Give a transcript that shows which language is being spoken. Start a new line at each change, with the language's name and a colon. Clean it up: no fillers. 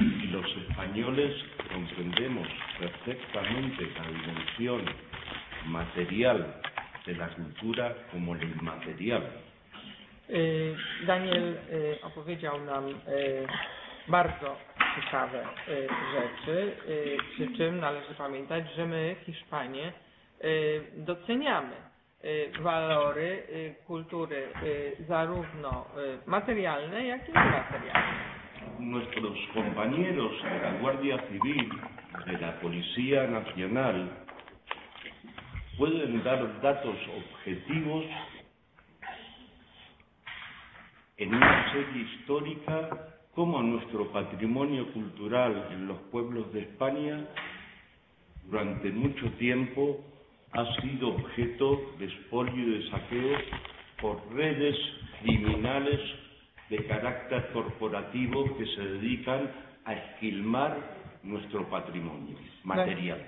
Spanish: Los españoles comprendemos perfectamente la dimensión material de la cultura como la inmaterial.
Polish: Daniel opowiedział nam bardzo ciekawe rzeczy, przy czym należy pamiętać, że my, Hiszpanie, doceniamy walory kultury zarówno materialne, jak i niematerialne.
Spanish: Nuestros compañeros de la Guardia Civil, de la Policía Nacional, pueden dar datos objetivos en una serie histórica como nuestro patrimonio cultural en los pueblos de España durante mucho tiempo ha sido objeto de expolio y de saqueo por redes criminales de carácter corporativo que se dedican a esquilmar nuestro patrimonio material.